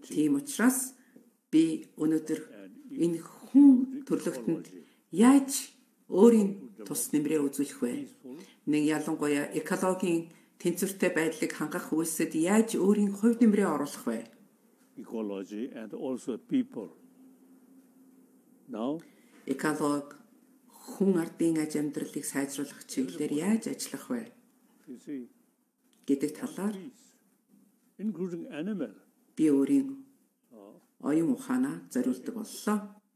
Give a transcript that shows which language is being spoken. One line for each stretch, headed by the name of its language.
Mongolian: Тийм учраас би өнөөдөр энэ хүн төрлөختөнд яаж өөрийн тус нэмрээ үзүүлэх вэ? Нэг ялангуяа экологийн тэнцвэртэй байдлыг хангах үйлсэд яаж өөрийн хувь нэмрээ оруулах вэ?
English: Ecology and also people. Now,
Mongolian: эколог хүн ардын аж амьдралыг сайжруулах чиглэлээр яаж ажиллах вэ? Гэдэг талаар
English: including animal.
Mongolian: Би өөрийн оюун ухаанаа зориулдаг боллоо.